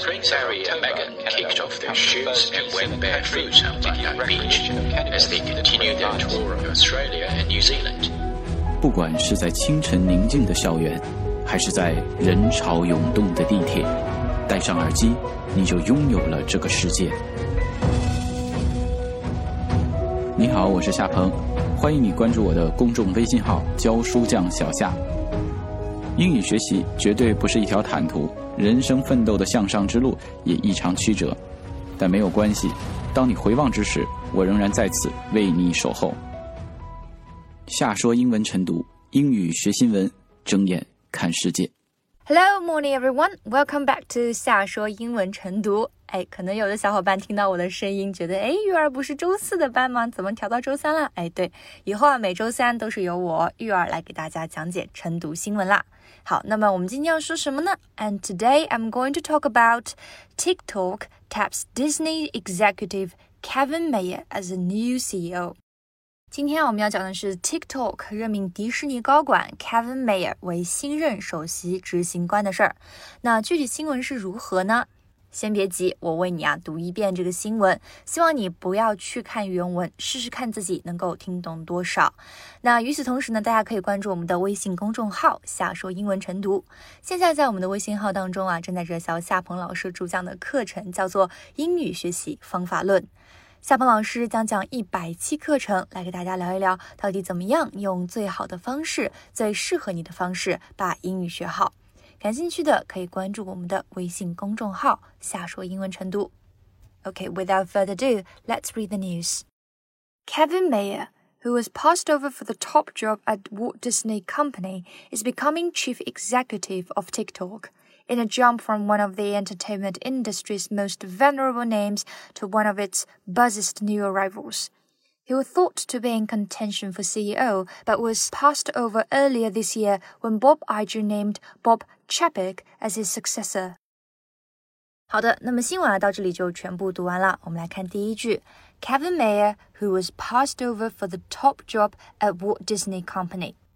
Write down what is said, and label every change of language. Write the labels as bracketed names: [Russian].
[English] of October, Megan kicked off their shoes and went barefoot on the beach as they continued their tour of Australia and New Zealand. [Chinese] 不管是在清晨宁静的校园，还是在人潮涌动的地铁，戴上耳机，你就拥有了这个世界。你好，我是夏鹏，欢迎你关注我的公众微信号“教书匠小夏”。英语学习绝对不是一条坦途，人生奋斗的向上之路也异常曲折，但没有关系，当你回望之时，我仍然在此为你守候。夏说英文晨读，英语学新闻，睁眼看世界。 [English] Hello, morning everyone. Welcome back to 夏说英文晨读。 [Chinese] 哎，可能有的小伙伴听到我的声音觉得，哎，玉儿不是周四的班吗？怎么调到周三了？哎，对，以后啊，每周三都是由我玉儿来给大家讲解晨读新闻啦。好，那么我们今天要说什么呢？ [English] And today I'm going to talk about TikTok taps Disney executive Kevin Mayer as a new CEO. [Chinese] 今天我们要讲的是 TikTok 任命迪士尼高管 Kevin Mayer 为新任首席执行官的事儿。那具体新闻是如何呢？先别急，我为你啊读一遍这个新闻，希望你不要去看原文，试试看自己能够听懂多少。那与此同时呢，大家可以关注我们的微信公众号夏说英文晨读。现在在我们的微信号当中啊，正在热销夏鹏老师主讲的课程，叫做英语学习方法论。夏鹏老师将讲100期课程，来给大家聊一聊到底怎么样用最好的方式、最适合你的方式把英语学好。感兴趣的可以关注我们的微信公众号“夏说英文晨读”。 [English] Okay, without further ado, let's read the news. Kevin Mayer, who was passed over for the top job at Walt Disney Company, is becoming chief executive of TikTok. In a jump from one of the entertainment industry's most venerable names to one of its buzziest new arrivals. He was thought to be in contention for CEO, but was passed over earlier this year when Bob Iger named Bob Chapek as his successor. [Chinese] 好的，那么新闻啊到这里就全部读完了。我们来看第一句。 [English] Kevin Mayer, who was passed over for the top job at Walt Disney Company.